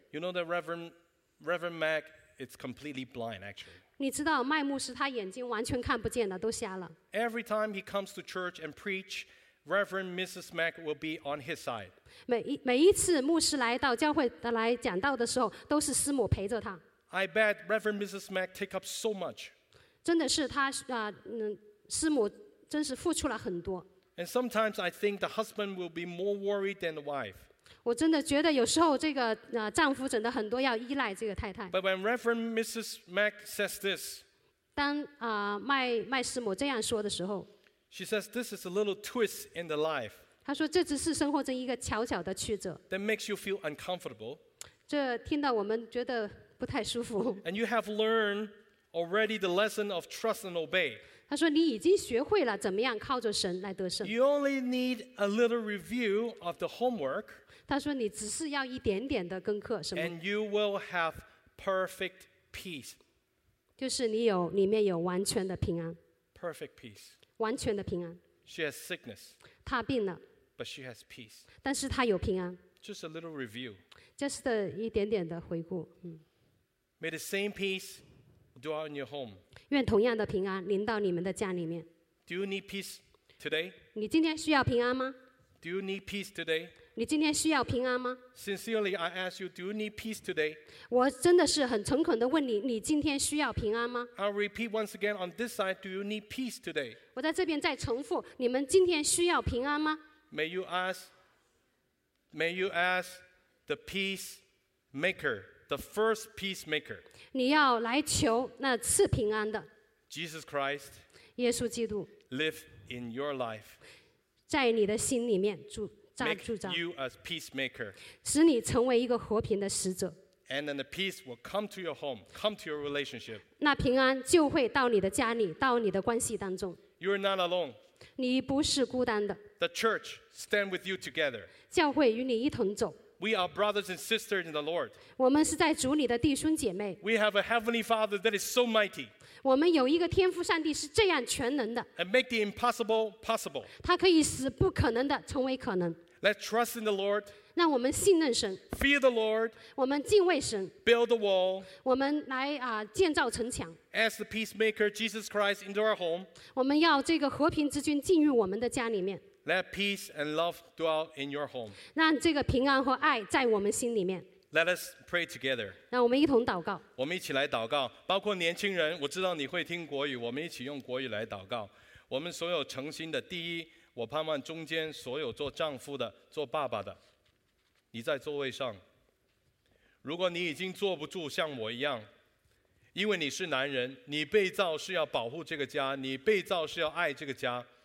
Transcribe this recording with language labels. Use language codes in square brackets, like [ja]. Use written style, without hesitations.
[en] You know that Reverend Mack is completely blind actually [zh] 你知道麦牧师他眼睛完全看不见了都瞎了 [en] Every time he comes to church and preach Reverend Mrs. Mack will be on his side. [zh] 每一次牧师来到教会来讲道的时候，都是师母陪着他。 [en] I bet Reverend Mrs. Mack take up so much. [zh] 真的是他师母真是付出了很多。 [en] And sometimes I think the husband will be more worried than the wife. [zh] 我真的觉得有时候这个丈夫真的很多要依赖这个太太。 [en] But when Reverend Mrs. Mack says this, [zh] 当麦师母这样说的时候。 [en] She says this is a little twist in the life. [zh] 她说这只是生活中一个小小的曲折。 [en] That makes you feel uncomfortable. [zh] 这听到我们觉得不太舒服。 [en] And you have learned already the lesson of trust and obey. [zh] 她说你已经学会了怎么样靠着神来得胜。 [en] You only need a little review of the homework. [zh] 她说你只是要一点点的功课，什么 [en] ？And you will have perfect peace. [zh] 就是你有里面有完全的平安。 [en] Perfect peace. [zh] 完全的平安。 [en] She has sickness. [zh] 她病了。 [en] But she has peace. [zh] 但是她有平安。 [en] Just a little review. Just [zh] 一点点的回顾。 [en] May the same peace dwell in your home. [zh] 愿同样的平安临到你们的家里面。 [en] Do you need peace today? [zh] 你今天需要平安吗? [en] Do you need peace today? [zh] 你今天需要平安吗? [en] Sincerely, I ask you, do you need peace today? [zh] 我真的是很诚恳地问你，你今天需要平安吗? [en] I'll repeat once again on this side, do you need peace today? [zh] 我在这边再重复，你们今天需要平安吗? [en] May you ask the peacemaker, the first peacemaker. [zh] 你要来求那赐平安的。 [en] Jesus Christ. [zh] 耶稣基督。 [en] Live in your life. [zh] 在你的心里面住。 [en] Make you a peacemaker. [zh] 使你成为一个和平的使者。 [en] And then the peace will come to your home, come to your relationship. [zh] 那平安就会到你的家里，到你的关系当中。 [en] You are not alone. [zh] 你不是孤单的。 [en] The church stand with you together. [zh] 教会与你一同走。 [en] We are brothers and sisters in the Lord. [zh] 我们是在主里的弟兄姐妹。 [en] We have a heavenly Father that is so mighty. [zh] 我们有一个天父上帝是这样全能的。 [en] And make the impossible possible. [zh] 他可以使不可能的成为可能。 [en] Let's trust in the Lord. [zh] 让我们信任神。 [en] Fear the Lord. [zh] 我们敬畏神。 [en] Build the wall. [zh] 我们来建造城墙。 [en] As the peacemaker Jesus Christ into our home. [zh] 我们要这个和平之君进入我们的家里面。 [en] Let peace and love dwell in your home. [zh] 让这个平安和爱在我们心里面。 [en] Let us pray together. [zh] 让我们一同祷告。我们一起来祷告，包括年轻人，我知道你会听国语，我们一起用国语来祷告。我们所有诚心的，第一，我盼望中间所有做丈夫的、做爸爸的，你在座位上，如果你已经坐不住，像我一样，因为你是男人，你被造是要保护这个家，你被造是要爱这个家。